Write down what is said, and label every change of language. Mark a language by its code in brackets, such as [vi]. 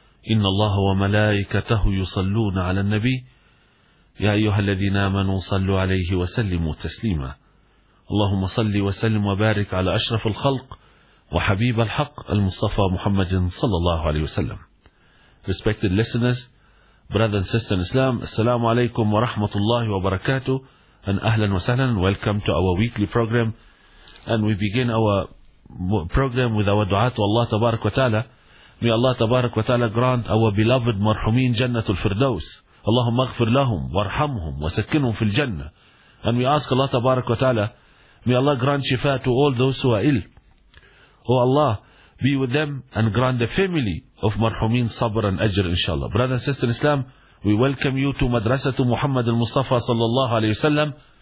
[ar] إن الله وملائكته يصلون على النبي، يا أيها الذين آمنوا صلوا عليه وسلموا تسليما. اللهم صل وسلم وبارك على أشرف الخلق وحبيب الحق المصطفى محمد صلى الله عليه وسلم. [en] Respected listeners, brothers and sisters in Islam, [ar] السلام عليكم ورحمة الله وبركاته. [en] And [ar] أهلا وسهلا. [en] Welcome to our weekly program. And we begin our program with our دعاة to Allah [ar] تبارك وتعالى. [en] May Allah [ar] تبارك وتعالى [en] grant our beloved [ar] مرحومين جنة الفردوس. اللهم اغفر لهم وارحمهم وسكنهم في الجنة. [en] And we ask Allah [ar] تبارك وتعالى, [en] may Allah grant shifa to all those who are ill. Oh Allah, be with them and grant the family of marhumin sabr and ajr inshallah. Brother and sister in Islam, we welcome you to Madrasa to Muhammad al-Mustafa sallallahu alayhi wa sallam.